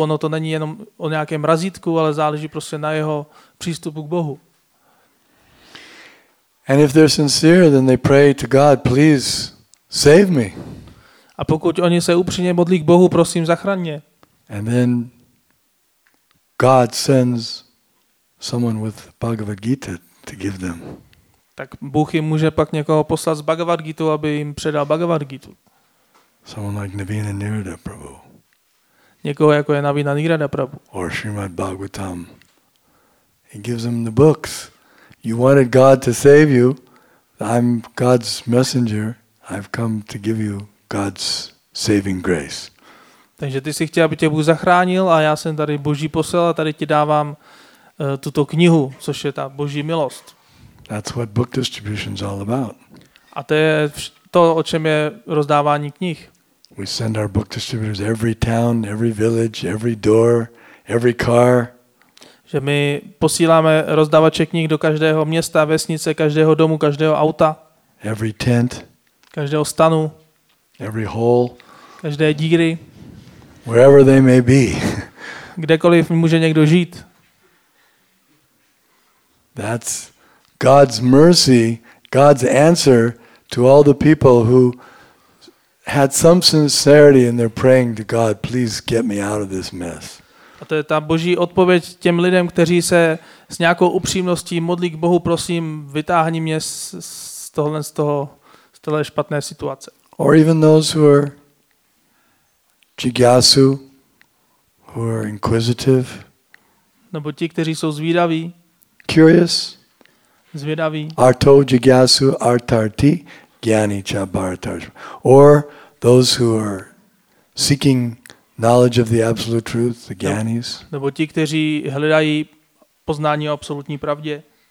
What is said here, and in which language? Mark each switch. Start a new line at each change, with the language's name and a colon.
Czech: Ono to není jenom o nějakém razítku, ale záleží prostě na jeho přístupu k Bohu.
English: And if they're sincere, then they pray to God, please save me.
Czech: A pokud oni se upřímně modlí k Bohu, prosím, zachraň mě.
English: And then God sends someone with Bhagavad Gita to give them.
Czech: Tak Bůh jim může pak někoho poslat z Bhagavad Gita, aby jim předal Bhagavad Gita.
English: Someone like Navina Nirada Prabhu.
Czech: Někoho jako je Navina Nirada Prabhu.
English: Or Srimad Bhagavatam. He gives them the books. You wanted God to save you. I'm God's messenger. I've come to give you God's saving grace.
Czech: Takže ty jsi chtěl, aby tě Bůh zachránil, a já jsem tady Boží posel a tady ti dávám tuto knihu, což je ta Boží milost.
English: That's what book distribution is all about.
Czech: A to je to, o čem je rozdávání knih.
English: We send our book distributors every town, every village, every door, every car.
Czech: Že my posíláme rozdávače knih do každého města, vesnice, každého domu, každého auta.
English: Every tent.
Czech: Každého stanu.
English: Every hole.
Czech: Každé díry.
English: Wherever they may be.
Czech: Kdekoliv může někdo žít.
English: That's God's mercy, God's answer to all the people who had some sincerity in their praying to God, please get me out of this mess.
Czech: A to je ta Boží odpověď těm lidem, kteří se s nějakou upřímností modlí k Bohu, prosím, vytáhni mě z tohle špatné situace.
English: Or even those who are jigyasu, who are inquisitive.
Czech: Nebo ti, kteří jsou zvídaví.
English: Curious.
Czech: Zvědaví.
Sanskrit: Arto jigyasu artarti gyani cha bharatarti.
English: Or those who are seeking knowledge of the absolute truth, the gyanis.
Czech: Nebo ti, kteří hledají poznání o absolutní pravdě.